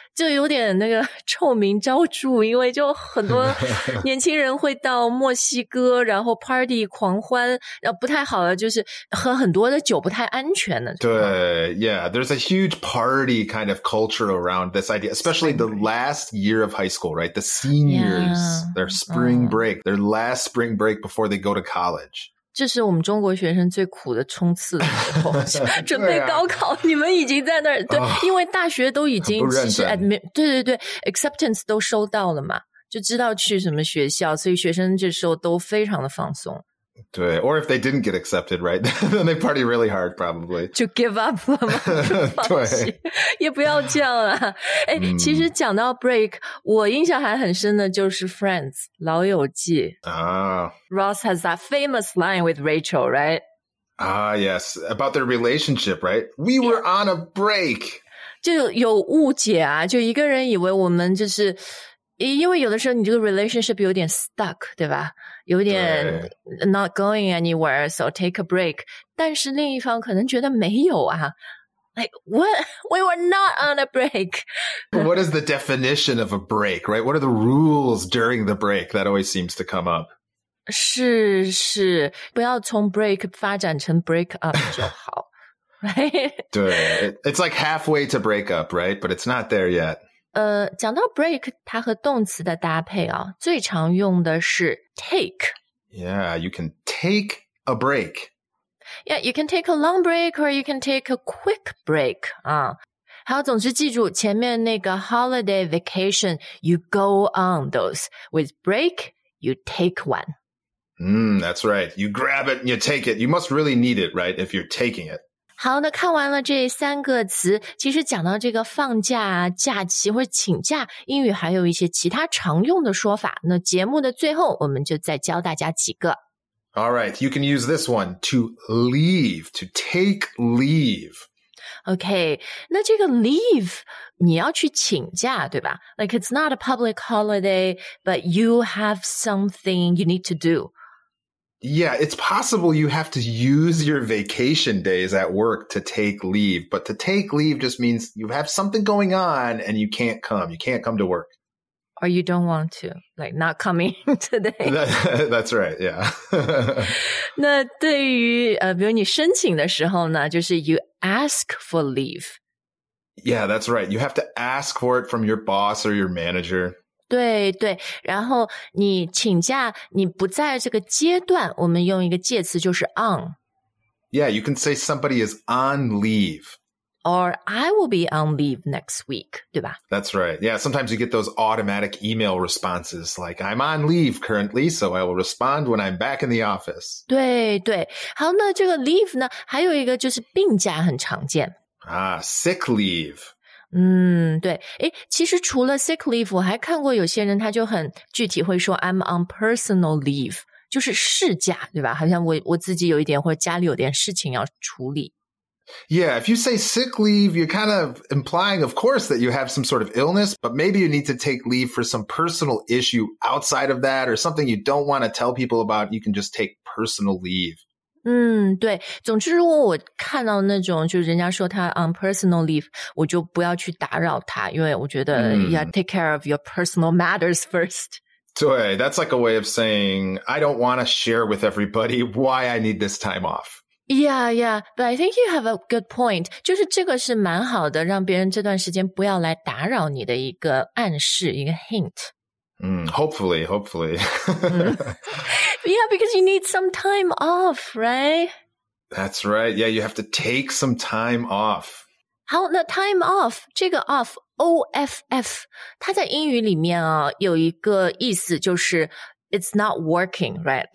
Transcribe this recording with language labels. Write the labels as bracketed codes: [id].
[zh] 就有点那个臭名昭著，因为就很多年轻人会到墨西哥，然后 party 狂欢，不太好的就是喝很多的酒，不太安全的。 [en] 对 ，Yeah, there's a huge party kind of culture around this idea, especially the last year of high school, right? The seniors, yeah, their spring break, their last spring break before they go to college. [zh] 这是我们中国学生最苦的冲刺的时候，准备高考，你们已经在那儿，对，因为大学都已经其实 acceptance 都收到了嘛，就知道去什么学校，所以学生这时候都非常的放松。 [en] 对 ，or if they didn't get accepted, right? Then they party really hard, probably. [zh] 就 give up 了吗？对，也不要这样了。哎，其实讲到 break, 我印象还很深的就是 Friends 老友记啊。 [en] Ross has that famous line with Rachel, right? Ah, yes, about their relationship, right? We were on a break. [zh] 就有误解啊，就一个人以为我们就是。因为有的时候你这个 relationship 有点 stuck, 对吧？有点 [en] not going anywhere, so take a break. [zh] 但是另一方可能觉得没有啊。 [en] Like, what? We were not on a break. What is the definition of a break, right? What are the rules during the break? That always seems to come up. [zh] 是是，不要从 break 发展成 break up 就好。Right? [en] 对。It's like halfway to break up, right? But it's not there yet. [zh] 讲到 break, 它和动词的搭配啊，最常用的是 take. [en] Yeah, you can take a break. Yeah, you can take a long break or you can take a quick break. [zh] 好，总之记住前面那个 [en] holiday vacation, you go on those. With break, you take one. That's right. You grab it and you take it. You must really need it, right, if you're taking it. [zh] 好，那看完了这三个词，其实讲到这个放假、假期或者请假，英语还有一些其他常用的说法。那节目的最后，我们就再教大家几个。 [en] All right, you can use this one, to leave, to take leave. [zh] Okay, 那这个 leave, 你要去请假，对吧？ [en] Like, it's not a public holiday, but you have something you need to do. Yeah, it's possible you have to use your vacation days at work to take leave. But to take leave just means you have something going on and you can't come. You can't come to work. Or you don't want to, like not coming today. That's right, yeah. [zh] 那对于比如你申请的时候呢，就是 you ask for leave. [en] Yeah, that's right. You have to ask for it from your boss or your manager. [zh] 对对，然后你请假，你不在这个阶段，我们用一个介词就是 on. [en] Yeah, you can say somebody is on leave. Or I will be on leave next week, [zh] 对吧? [en] That's right. Yeah, sometimes you get those automatic email responses like, I'm on leave currently, so I will respond when I'm back in the office. [zh] 对对，好，那这个 leave 呢，还有一个就是病假很常见。 [en] Sick leave. [zh] 对，诶，其实除了 sick leave, 我还看过有些人他就很具体会说 [en] I'm on personal leave, [zh] 就是事假，对吧？好像我自己有一点或者家里有点事情要处理。 [en] Yeah, if you say sick leave, you're kind of implying, of course, that you have some sort of illness, but maybe you need to take leave for some personal issue outside of that or something you don't want to tell people about, you can just take personal leave. [zh] 对，总之如果我看到那种就是人家说他 on personal leave, 我就不要去打扰他，因为我觉得要 [en] take care of your personal matters first. 对， that's like a way of saying, I don't want to share with everybody why I need this time off. Yeah, yeah, but I think you have a good point. [zh] 就是这个是蛮好的，让别人这段时间不要来打扰你的一个暗示，一个 hint. [en] Hopefully, hopefully. Yeah, because you need some time off, right? That's right. Yeah, you have to take some time off. [zh] 好，那 time off, 这个 off, O-F-F, 它在英语里面啊，有一个意思就是 [en] it's not working, right?